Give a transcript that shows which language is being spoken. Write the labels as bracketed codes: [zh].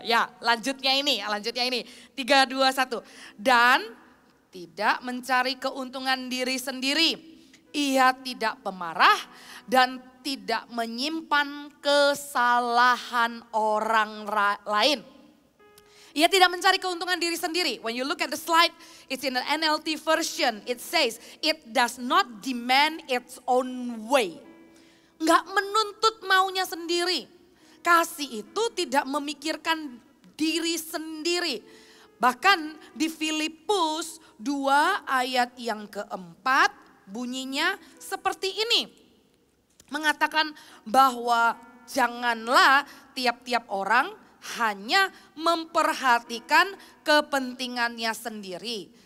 [id] Ya, lanjutnya ini. 3, 2, 1. Dan tidak mencari keuntungan diri sendiri. Ia tidak pemarah dan tidak menyimpan kesalahan orang lain. Ia tidak mencari keuntungan diri sendiri. [en] When you look at the slide, it's in the NLT version. It says, it does not demand its own way. [id] Enggak menuntut maunya sendiri. Kasih itu tidak memikirkan diri sendiri. Bahkan di Filipus 2 ayat yang keempat bunyinya seperti ini. Mengatakan bahwa janganlah tiap-tiap orang hanya memperhatikan kepentingannya sendiri.